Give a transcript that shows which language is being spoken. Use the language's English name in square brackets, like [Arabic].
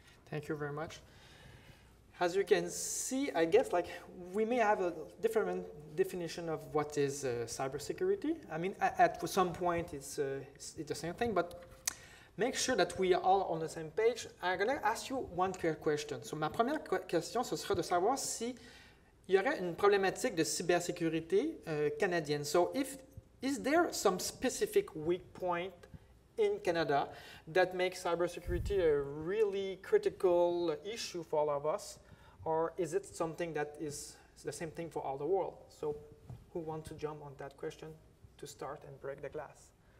[English] Thank you very much. As you can see, I guess like we may have a different definition of what is cybersecurity. I mean, at some point it's the same thing, but make sure that we are all on the same page. I'm gonna ask you one clear question. So my [French] première question, ce sera de savoir si il y aurait une problématique de cybersécurité canadienne. [English] So is there some specific weak point in Canada that makes cybersecurity a really critical issue for all of us, or is it something that is the same thing for all the world? So who wants to jump on that question to start and break the glass?